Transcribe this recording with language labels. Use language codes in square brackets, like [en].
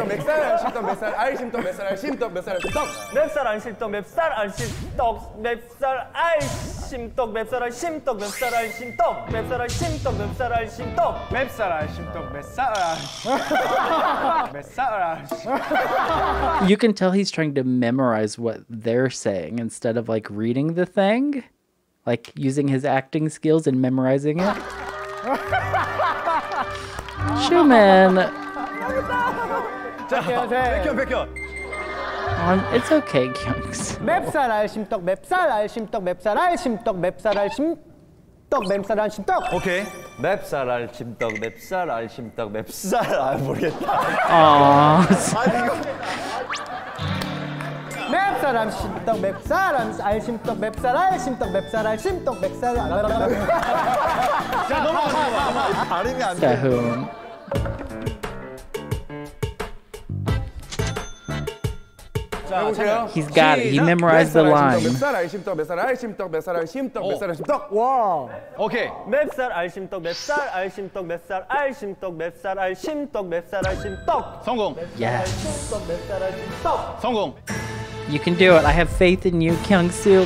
[ko] 맵쌀 알심떡 맵쌀 알심떡 맵쌀 알심떡 맵쌀 알심떡 맵쌀 알심떡 맵쌀 알심떡 맵쌀 알심떡 맵쌀 알심떡 맵쌀 알심떡 맵쌀 알심떡 맵쌀 알심떡 맵쌀 알심떡 맵쌀 알심떡 맵쌀 알심떡 맵쌀 알심떡 [en] You can tell he's trying to memorize what they're saying instead of like reading the thing, like using his acting skills and memorizing it. Schumann. [ko] 백현 [en] It's okay, Kyungs. [ko] 맵쌀 알심떡 맵쌀 알심떡 맵쌀 알심떡 맵쌀 알심떡 맵쌀 알심떡 오케이 맵쌀 알심떡 맵쌀 알심떡 맵쌀 아 모르겠다 아 맵쌀 알심떡 맵쌀 알심떡 맵쌀 알심떡 맵쌀 알심떡 맵쌀 알심떡 자 넘어가 발음이 안 돼 자훈 해보세요. [en] He's got [ko] 시작. [en] it. He memorized the line. [ko] 맵쌀 알심떡 맵쌀 알심떡 맵쌀 알심떡 맵쌀 알심떡 와 오케이 맵쌀 알심떡 맵쌀 알심떡 맵쌀 알심떡 맵쌀 알심떡 맵쌀 알심떡 성공 [en] yes [ko] 알심떡 맵쌀 알심떡 성공 [en] You can do it. I have faith in you, Kyungsoo.